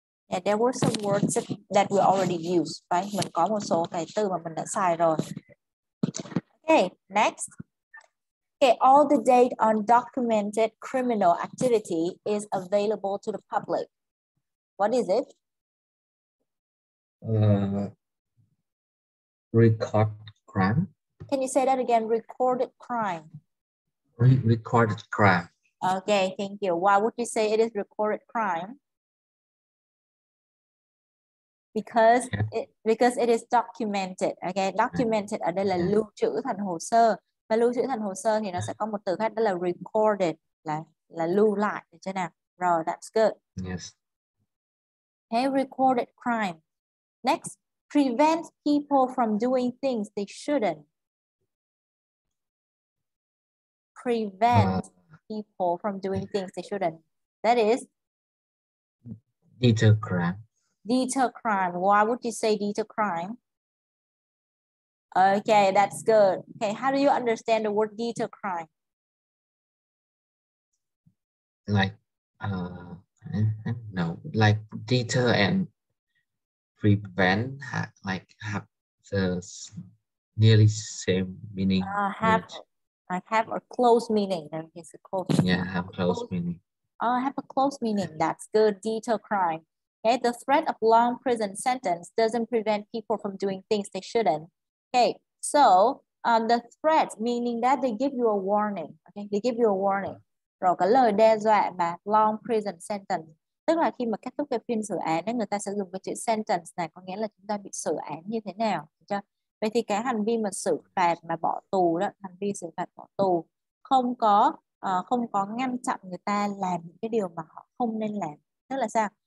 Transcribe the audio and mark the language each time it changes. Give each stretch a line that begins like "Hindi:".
English: Yeah, there were some words that we already used, right?
Vietnamese: Mình có một số cái từ mà mình đã xài rồi.
English: Okay, next. Okay, all the data on documented criminal activity is available to the public. What is it? Record crime. Can you say that again? Recorded crime. Recorded crime. Okay, thank you. Why would you say it is recorded crime? Because it is documented.
Vietnamese: Okay, documented ở đây là lưu trữ thành hồ sơ. Và lưu trữ thành hồ sơ thì nó sẽ có một từ khác đó là recorded, là lưu lại, được chưa nào?
English: Rồi, that's good. Yes. Okay, recorded crime. Next, prevent people from doing things they shouldn't. prevent people from doing things they shouldn't. That is? Deter crime. Deter crime. Why would you say deter crime? Okay, that's good. Okay, how do you understand the word deter crime? Like, no, like deter and prevent, have the nearly same meaning. Have a close meaning. It's a close. Yeah, meaning. Have a close meaning. Oh, I have a close meaning. That's good. Deter crime. Okay, the threat of long prison sentence doesn't prevent people from doing things they shouldn't. Okay, so the threat meaning that they give you a warning. Okay, they give you a warning.
Vietnamese: Rồi cái lời đe dọa mà
English: long prison sentence,
Vietnamese: tức là khi mà kết thúc cái phiên xử án ấy, người ta sẽ dùng cái chữ sentence này, có nghĩa là chúng ta bị xử án như thế nào. Chưa? Vậy thì cái hành vi mà xử phạt mà bỏ tù đó, hành vi xử phạt bỏ tù không có ngăn chặn người ta làm những cái điều mà họ không nên làm. Tức là sao?